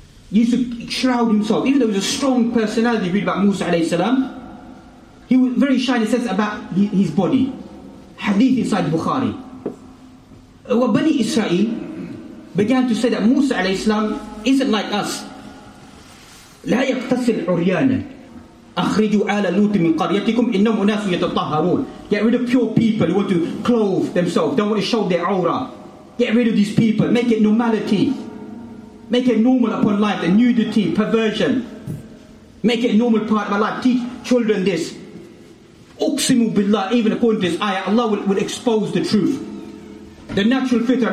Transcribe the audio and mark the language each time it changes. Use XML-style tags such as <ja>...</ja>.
<en>He used to shroud himself. Even though he was a strong personality, read about Musa alayhi salam, he was very shy in the sense about his body. Hadith inside Bukhari. When Bani Israel began to say that Musa alayhi salam isn't like us.</en> <ar>لا يقتصر عريانا. أخرجوا آل لوط من قريتكم إنهم أناس يتطهرون.</ar> <en>Get rid of pure people who want to clothe themselves, don't want to show their aura. Get rid of these people, make it normality, make it normal upon life, the nudity, perversion, make it a normal part of my life. Teach children this.</en> <ar>أقسم بالله,</ar> <en>even according to this ayah, Allah will expose the truth, the natural fitrah.</en>